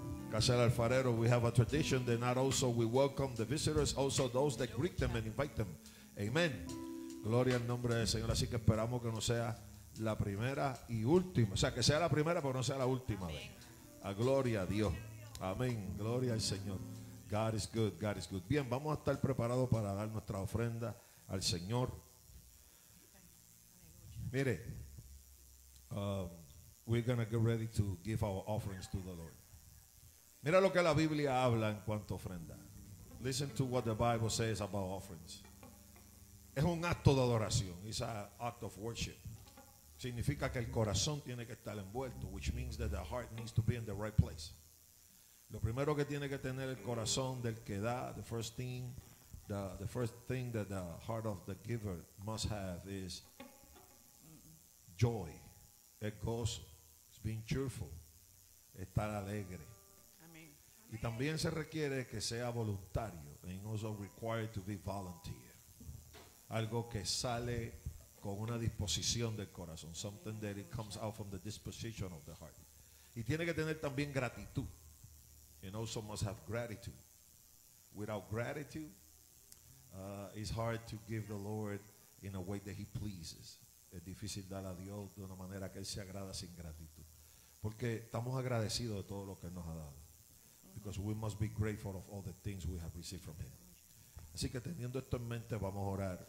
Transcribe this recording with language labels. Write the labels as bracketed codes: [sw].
[en] Casa del Alfarero, we have a tradition that not also we welcome the visitors, also those that greet them and invite them. [es] Amén. Gloria al nombre del Señor, así que esperamos que no sea la primera y última. O sea, que sea la primera, pero no sea la última. Amén. Vez. A gloria a Dios. Amén. Gloria al Señor. [en] God is good, God is good. [es] Bien, vamos a estar preparados para dar nuestra ofrenda al Señor. [en] Mire, we're going to get ready to give our offerings to the Lord. [es] Mira lo que la Biblia habla en cuanto a ofrenda. [en] Listen to what the Bible says about offerings. [es] Es un acto de adoración. [en] It's an act of worship. [es] Significa que el corazón tiene que estar envuelto, [en] which means that the heart needs to be in the right place. [es] Lo primero que tiene que tener el corazón del que da, [en] the first thing that the heart of the giver must have is joy. [es] Es gozo. [en] It's being cheerful. [es] Estar alegre. [en] Amen. [es] Y también se requiere que sea voluntario. [en] And also required to be volunteer. [es] Algo que sale con una disposición del corazón. [en] Something that it comes out from the disposition of the heart. [es] Y tiene que tener también gratitud. [en] And also must have gratitude. Without gratitude, it's hard to give the Lord in a way that he pleases. [es] Es difícil dar a Dios de una manera que él se agrada sin gratitud. Porque estamos agradecidos de todo lo que él nos ha dado. [en] Because we must be grateful of all the things we have received from him. [es] Así que teniendo esto en mente, vamos a orar.